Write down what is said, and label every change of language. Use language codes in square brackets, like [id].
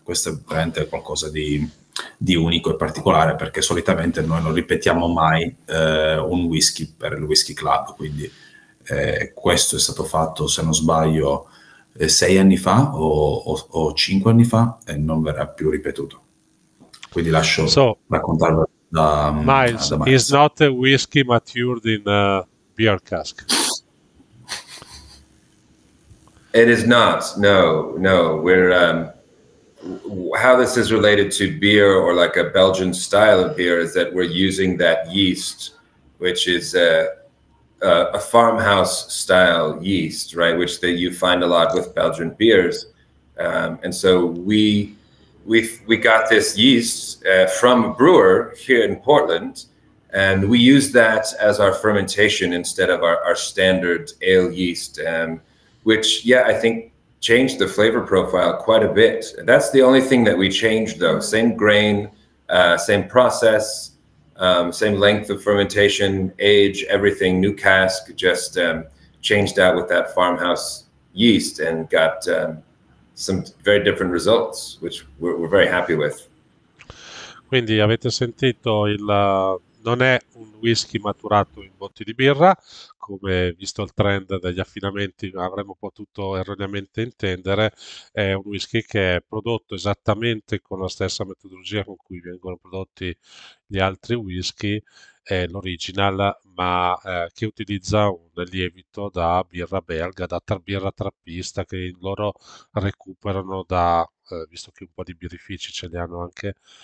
[it] Questo è veramente qualcosa di unico e particolare perché solitamente noi non ripetiamo mai un whisky per il Whisky Club. Quindi questo è stato fatto, se non sbaglio, 6 anni fa o 5 anni fa e non verrà più ripetuto. Quindi lascio [en] So, [it] raccontarlo da [en] Miles is Miles. not a whiskey matured in a beer cask. It is not. No. We're how this is related to beer or like a Belgian style of beer is that we're using that yeast, which is a farmhouse style yeast, right? Which that you find a lot with Belgian beers. And so we got this yeast from a brewer here in Portland, and we use that as our fermentation instead of our standard ale yeast, which, yeah, I think changed the flavor profile quite a bit. That's the only thing that we changed, though. Same grain, same process, same length of fermentation, age, everything, new cask, just changed out with that farmhouse yeast and got some very different results, which we're very happy with. [it] Quindi avete sentito il... Non è un whisky maturato in botti di birra, come visto il trend degli affinamenti avremmo potuto erroneamente intendere, è un whisky che è prodotto esattamente con la stessa metodologia con cui vengono prodotti gli altri whisky, è l'original, ma che utilizza un lievito da birra belga, da birra trappista, che loro recuperano da, visto che un po' di birrifici ce li hanno anche,